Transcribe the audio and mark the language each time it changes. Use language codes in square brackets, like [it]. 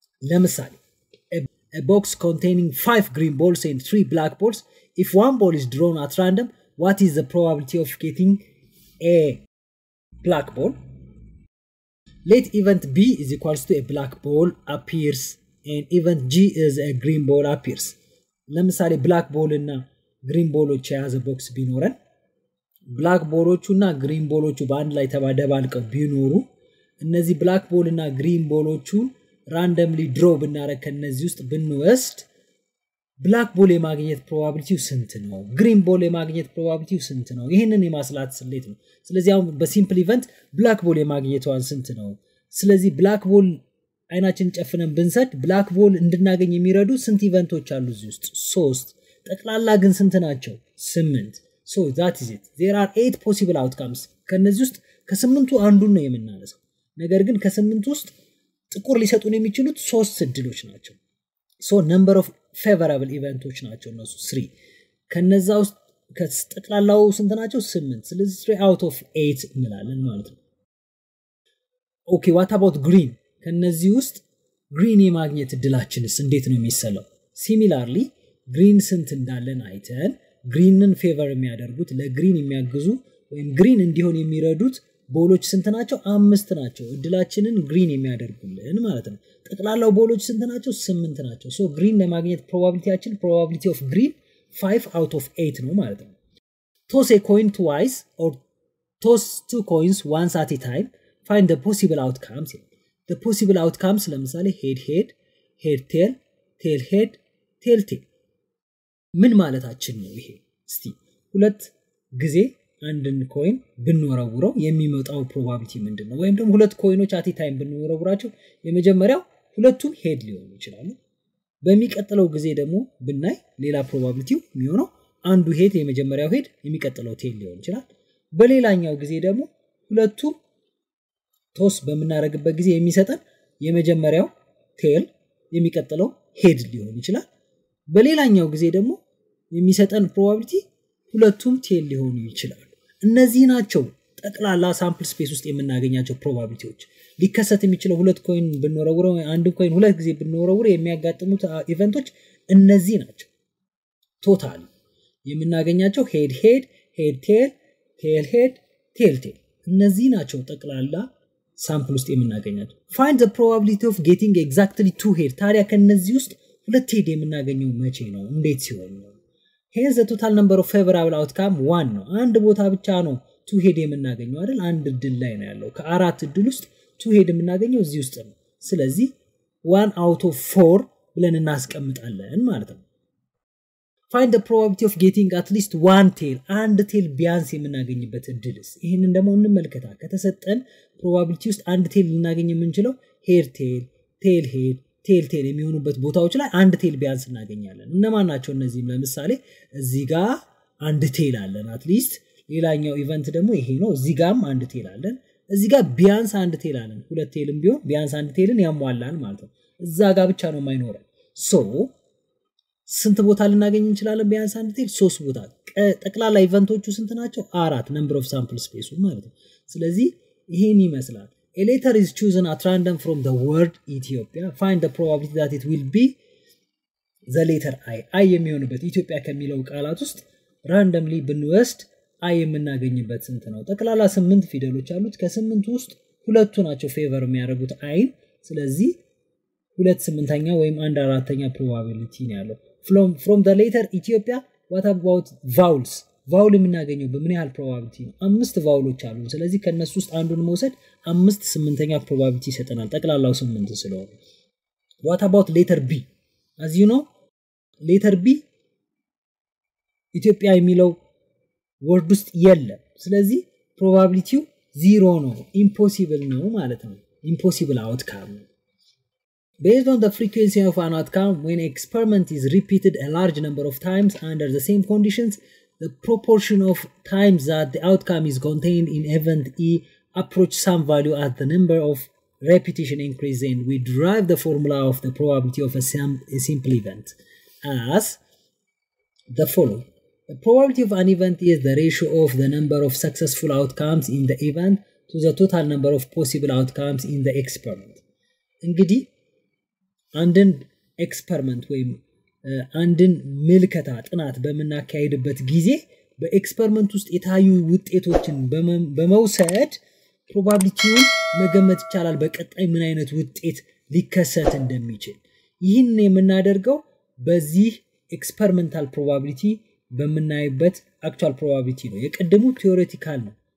[en] ለምሳሌ a box containing 5 green balls and 3 black balls, if one ball is drawn at random, what is the probability of getting a black ball? Let event B is equal to a black ball appears and event G is a green ball appears. [am] ለምሳሌ black ball እና green ball ወጭ ያዘ box ቢኖረን black ball ወጭ እና green ball ወጭ በአንድ ላይ ተባደባልቀው ቢኖሩ እነዚህ black ball እና green ball ወጭ randomly draw ብናረክ ከነዚህ ውስጥ ብንወስድ black ball የማግኘት probabilityው ስንት ነው? Green ball የማግኘት probabilityው ስንት ነው? ይሄንን የማስላት ስሌት ነው። ስለዚህ አሁን በሲምፕል ኢቨንት black ball የማግኘቷን ስንት ነው? ስለዚህ black ball አይናችን ጨፍነን ብንሰድ black ball እንድናገኝ የሚረዱ ስንት ኢቨንቶች አሉ እዚህ ውስጥ? 3። ጠቅላላ ግን ስንት ናቸው? 8። [en] So that is it. There are 8 possible outcomes. [am] ከነዚህ ውስጥ ከ8ቱ አንዱን ነው የምናነሳው። ነገር ግን ከ8ቱ ውስጥ ጥቁር ሊሰጡን የሚችሉት 3 እድሎች ናቸው። [en] So number of favorable events [am] ናቸው እነሱ 3። ከነዛው ከጠቅላላው ስንት ናቸው? [en] 8። [am] ስለዚህ [en] 3 out of 8 [am] እንላለን ማለት ነው። [en] Okay, what about green? [am] ከነዚህ ውስጥ green የማግኘት እድላችንስ እንዴት ነው የሚሰለው? Similarly, green ስንት እንዳለን አይተን greenን favor የሚያደርጉት ለgreen የሚያግዙ ወይም green እንዲሆን የሚረዱት ቦሎች ስንት ናቸው? 5 ናቸው። እድላችንን green የሚያደርጉልን ማለት ነው። ጠቅላላው ቦሎች ስንት ናቸው? 8 ናቸው። [en] So green [am] ለማግኘት probabilityያችን [en] probability of green 5 out of 8 ነው ማለት ነው። Toss a coin twice or toss two coins once at a time, find the possible outcomes. The possible outcomes ለምሳሌ head head, head tail, tail head, tail tail. [am] ምን ማለታችን ነው ይሄ? እስቲ ሁለት ጊዜ አንድን ኮይን ብንወረውረው የሚመጣው probability ምንድነው? ወይም ደግሞ ሁለት ኮይኖች at a time ብንወረውራቸው የመጀመሪያው ሁለቱም head ሊሆኑ ይችላሉ። በሚቀጥለው ጊዜ ደግሞ ብናይ ሌላ probabilityው የሚሆነው አንዱ head የመጀመሪያው head የሚቀጥለው tail ሊሆን ይችላል። በሌላኛው ጊዜ ደግሞ ሁለቱ toss በመናረግበት ጊዜ የሚሰጠን የመጀመሪያው tail የሚቀጥለው head ሊሆን ይችላል። በሌላኛው ጊዜ ደግሞ የሚሰጠን probability ሁለቱም ቴል ሊሆኑ ይችላሉ። እነዚህ ናቸው ጠቅላላ ሳምፕል ስፔስ ውስጥ የምናገኛቸው probabilityዎች። ሊከሰት የሚችለው ሁለት ኮይን ብንወረውረ ወይ አንድ ኮይን ሁለት ጊዜ ብንወረውረ የሚያጋጥሙት ኢቨንቶች እነዚህ ናቸው። ቶታል የምናገኛቸው head head, head tail, tail head, tail tail እነዚህ ናቸው ጠቅላላ ሳምፕል ውስጥ የምናገኛቸው። [en] find the probability of getting exactly two head. [am] ታዲያ ከነዚህ ውስጥ ሁለት head የምናገኘው መቼ ነው? እንዴት ሲሆን ነው? [en] Here's the total number of favorable outcome 1 ነው። [am] አንድ ቦታ ብቻ ነው 2 head የምናገኘው አይደል? አንድ እድል ላይ ነው ያለው። ከአራት እድል ውስጥ 2 head የምናገኘው እዚህ ውስጥ ነው። ስለዚህ 1 out of 4 ብለን እናስቀምጣለን ማለት ነው። [en] Find the probability of getting at least one tail. [am] አንድ tail ቢያንስ የምናገኝበት እድልስ? ይሄንን ደግሞ እንመልከታ። ከተሰጠን probability ውስጥ አንድ tail ልናገኝ የምንችለው head tail, tail head, tail tail የሚሆኑበት ቦታዎች ላይ አንድ tail ቢያንስ እናገኛለን። እነማን ናቸው እነዚህም? ለምሳሌ እዚህ ጋር አንድ tail አለን at least። ሌላኛው event ደግሞ ይሄ ነው። እዚህ ጋርም አንድ tail አለን። እዚህ ጋር ቢያንስ አንድ ቴል አለን ሁለት ቴልም ቢሆን ቢያንስ አንድ ቴልን ያሟላል ማለት ነው እዛ ጋር ብቻ ነው የማይኖረው ሶ ስንት ቦታ ልናገኝ እንችላለን ቢያንስ አንድ ቴል 3 ቦታ ጠቅላላ ኢቨንቶቹ ስንት ናቸው 4 ነምበር ኦፍ ሳምፕል ስፔሱ ማለት ነው ስለዚህ ይሄን ይመስላል [en] A letter is chosen at random from the word Ethiopia. Find the probability that it will be the letter I. [am] I የሚሆንበት ኢትዮጵያ ከሚለው ቃላት ውስጥ randomly ብንወስድ I የምናገኝበት ስንት ነው? ጠቅላላ 8 ፊደሎች አሉት። ከ8ቱ ውስጥ ሁለቱ ናቸው favor የሚያደርጉት I. ስለዚህ 2/8 ወይም 1/4 probability ነው ያለው። [en] From the letter Ethiopia, what about vowels? [am] ቫውል የምናገኘው በምን ያህል probability ነው? 5 ቫውሎች አሉ። ስለዚህ ከነሱ ውስጥ አንዱን መውሰድ 5/8 probability ይሰጠናል። ጠቅላላው 8 ስለሆነ። [en] What about letter B? As you know, letter B [am] ኢትዮጵያ የሚለው [en] word [am] ውስጥ የለም። ስለዚህ probability 0 ነው። [en] Impossible ነው ማለት ነው። Impossible outcome. Based on the frequency of an outcome when experiment is repeated a large number of times under the same conditions, the proportion of times that the outcome is contained in event E approaches some value as the number of repetition increases and we derive the formula of the probability of a simple event as the following. The probability of an event is the ratio of the number of successful outcomes in the event to the total number of possible outcomes in the experiment. [am] እንግዲህ አንድን experiment ወይም አንድን ምልከታ ጥናት በመናካይድበት ጊዜ በኤክስፐሪመንት ውስጥ የታዩ ውጤቶችን በመውሰድ ፕሮባቢሊቲውን መገመት ይቻላል በቀጣይ ምን አይነት ውጤት ሊከሰት እንደሚችል ይሄን የምናደርገው በዚህ ኤክስፐሪመንታል ፕሮባቢሊቲ በመናይበት አክቹዋል ፕሮባቢሊቲ ነው የቀደሙ ቲዮሬቲካል ነው